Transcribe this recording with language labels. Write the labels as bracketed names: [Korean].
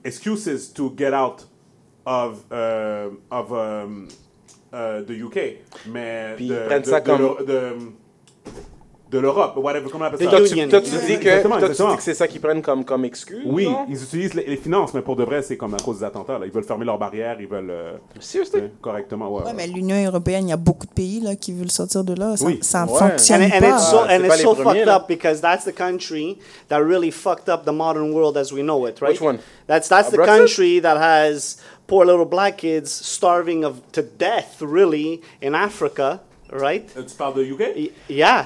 [English] excuses to get out of the UK. [French] Mais, puis ils prennent ça comme... De de l'Europe, [English] whatever, [French] comment on appelle ça. Toi, tu dis que c'est ça qu'ils prennent comme excuse. Oui, non? Ils utilisent les finances, mais pour de vrai, c'est comme à cause des attentats. Là. Ils veulent fermer leurs barrières, ils veulent. Correctement, ouais. Ouais, mais l'Union européenne, il y a beaucoup de pays là, qui veulent sortir de là. Ça ne fonctionne [English] and [French] pas. [English] And it's so fucked up because that's the country that really fucked up the modern world as we know it, right? Which one? That's the country that has poor little black kids starving to death, really, in Africa. Right? It's part of the UK? Yeah.